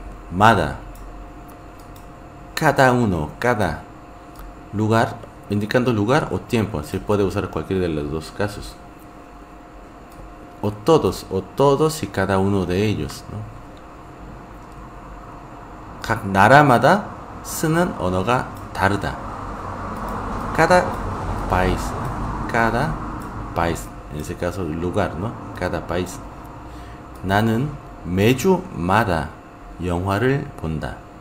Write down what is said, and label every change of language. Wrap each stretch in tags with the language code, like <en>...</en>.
<es>Mada. Cada uno, cada lugar, indicando lugar o tiempo. Se puede usar cualquiera de los dos casos. O todos y cada uno de ellos, ¿no?</es> <ko>각 나라마다 쓰는 언어가 다르다.</ko> <es>Cada país, en ese caso lugar, ¿no? Cada país.</es> <ko>나는 매주마다 영화를 본다.</ko>